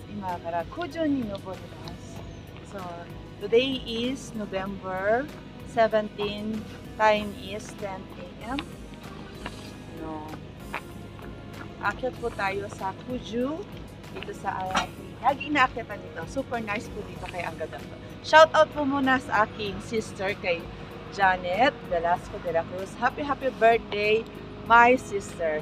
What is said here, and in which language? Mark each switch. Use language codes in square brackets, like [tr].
[ja] 今から九十に登ります。 [en] So today is November 17, time is 10 a.m. No. [tl] Akyat po tayo sa 90, ito sa ayatin. Lagi inaakyatan dito. [en] Super nice [tl] po dito kay Agadanto. Shout out po muna sa aking sister kay Janet Velasco de la Cruz. [en] Happy, happy birthday, my sister.